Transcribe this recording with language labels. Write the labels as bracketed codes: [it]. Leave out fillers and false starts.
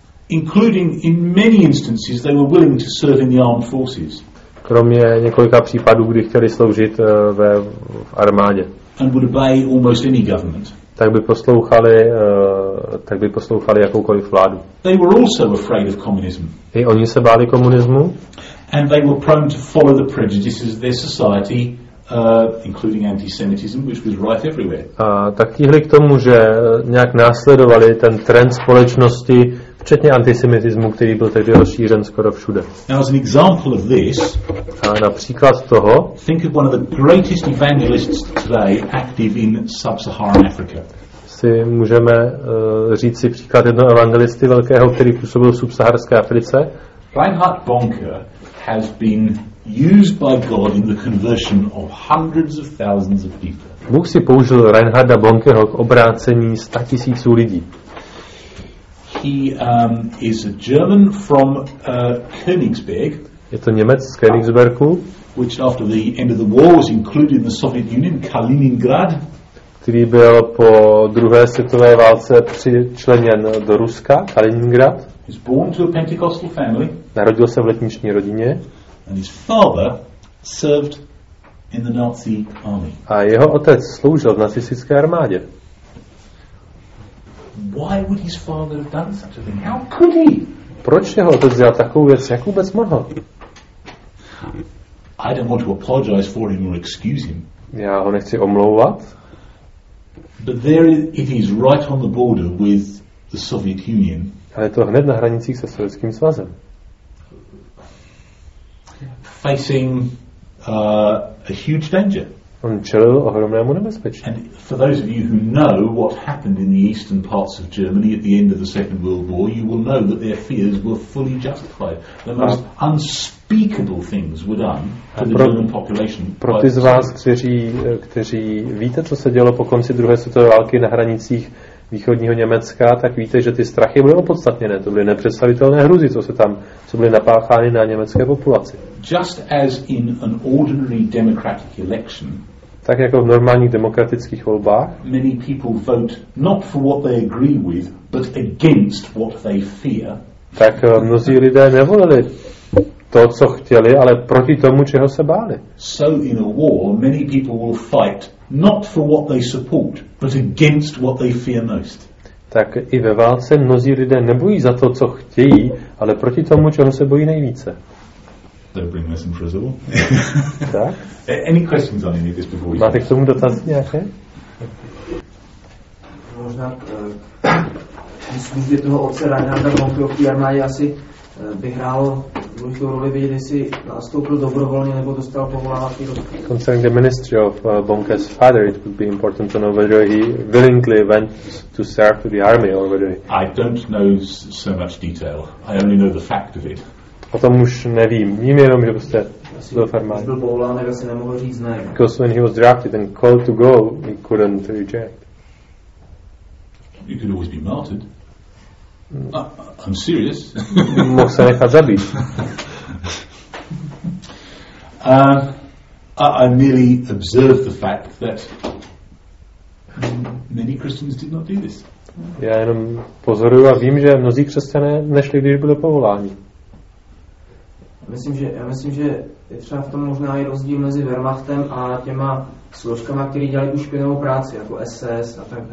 [en] Including in many instances they were willing to serve in the armed forces. [cs] Kromě několika případů, kdy chtěli sloužit v armádě. [en] And would obey almost any government. [cs] Tak by poslouchali jakoukoliv vládu. [en] They were also afraid of communism. [cs] I oni se báli komunismu. [en] And they were prone to follow the prejudices of their society, including antisemitism, which was rife everywhere. [cs] A tak tíhli k tomu, že nějak následovali ten trend společnosti, včetně antisemitismu, který byl tehdy rozšířen skoro všude. [en] Now as an example of this, [cs] a například toho, [en] think of one of the greatest evangelists today active in sub-Saharan Africa. [cs] Si můžeme říct si příklad jednoho evangelisty velkého, který působil v subsaharské Africe. [en] Reinhard Bonnke has been used by God in the conversion of hundreds of thousands of people. [cs] Bůh si použil Reinharda Bonnkeho k obrácení 100 tisíců lidí. [en] He is a German from Königsberg. [cs] Je to Němec z Königsbergu, [en] which after the end of the war was included in the Soviet Union, Kaliningrad. [cs] Který byl po druhé světové válce přičleněn do Ruska, Kaliningrad. [en] He was born to a Pentecostal family. [cs] Narodil se v letniční rodině. [en] And his father served in the Nazi army. [cs] A jeho otec sloužil v nacistické armádě. [en] Why would his father have done such a thing? How could he? [cs] Proč jeho otec dělal takovou věc? Jak vůbec mohl? [en] I don't want to apologize for him or excuse him. [cs] Já ho nechci omlouvat. [en] But there it is, right on the border with the Soviet Union. [cs] Ale je to hned na hranicích se Sovětským svazem. [en] Facing a huge danger. [cs] On čelil ohromnému nebezpečí. [en] And for those of you who know what happened in the eastern parts of Germany at the end of the Second World War, you will know that their fears were fully justified. The most unspeakable things were done to the German population. [cs] Pro ty z vás, kteří víte, co se dělo po konci druhé světové války na hranicích východního Německa, tak víte, že ty strachy byly opodstatněné, to byly nepředstavitelné hrůzy, co byly napáchány na německé populaci. [en] Just as in an ordinary democratic election, [cs] tak jako v normálních demokratických volbách, [en] many people vote not for what they agree with, but against what they fear. [cs] Tak mnozí lidé nevolili to, co chtěli, ale proti tomu, čeho se báli. [en] So in a war, many people will fight not for what they support, but against what they fear most. [cs] Tak i ve válce mnozí lidé nebojí za to, co chtějí, ale proti tomu, čeho se bojí nejvíce. [en] Don't bring this in for us all. [cs] Tak? [en] Any questions on any of this before we... [cs] Máte k tomu dotazy nějaké? Možná v službě toho otce Reinharda von Krochy armády asi by hrál důležitou roli vědět, jestli nastoupil dobrovolně nebo dostal povolávací rozkaz. [en] Concerning the ministry of Bonke's father, it would be important to know whether he willingly went to serve to the army or whether... I don't know so much detail. I only know the fact of it. [cs] O tom už nevím. Vím jenom, že byste byl v armádě. Byl povolán, tak asi nemohl říct ne. [en] Because when he was drafted and called to go, he couldn't reject. You could always be martyred. I'm serious. [cs] Mohl se nechat zabít. [en] I merely observed the fact that many Christians did not do this. [cs] Já jenom pozoruju a vím, že mnozí křesťané nešli, když byli povoláni. Já myslím, že je třeba v tom možná i rozdíl mezi Wehrmachtem a těma složkama, které dělali už špinavou práci, jako SS a tak.